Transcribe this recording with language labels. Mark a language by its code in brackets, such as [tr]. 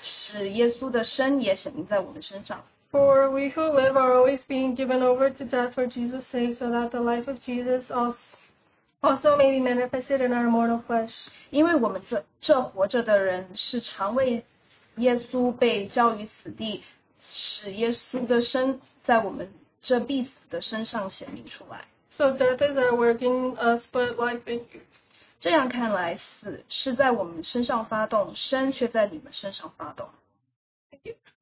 [zh] 遭逼迫却不被丢弃，打倒了却不致死亡。身上常带着耶稣的死，使耶稣的身也显明在我们身上。 [en] For we who live are always being given over to death for Jesus' sake, so that the life of Jesus also may be manifested in our mortal flesh. [zh] 因为我们这活着的人是常为耶稣被交于死地。使耶稣的身在我们这必死的身上显明出来。 [en] So death is at work in us, but life in you. [zh] 这样看来，死是在我们身上发动，生却在你们身上发动。 [en] Thank you.